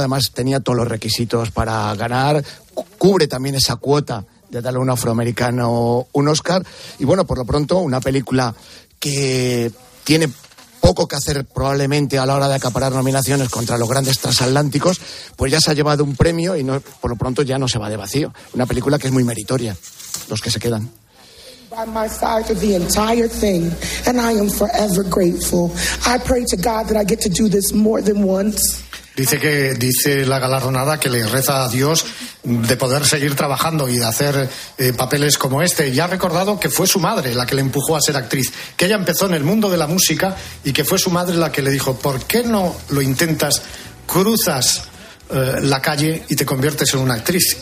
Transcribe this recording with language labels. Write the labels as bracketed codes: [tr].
[es] Además, tenía todos los requisitos para ganar. Cubre también esa cuota de darle a un afroamericano un Oscar. Y bueno, por lo pronto, una película que tiene poco que hacer probablemente a la hora de acaparar nominaciones contra los grandes transatlánticos, pues ya se ha llevado un premio y no, por lo pronto ya no se va de vacío. Una película que es muy meritoria, Los que se quedan. [en] By my side of the entire thing, and I am forever grateful. I pray to God that I get to do this more than once. [es] Dice la galardonada que le reza a Dios de poder seguir trabajando y de hacer papeles como este. Y ha recordado que fue su madre la que le empujó a ser actriz, que ella empezó en el mundo de la música y que fue su madre la que le dijo: ¿por qué no lo intentas, cruzas la calle y te conviertes en una actriz?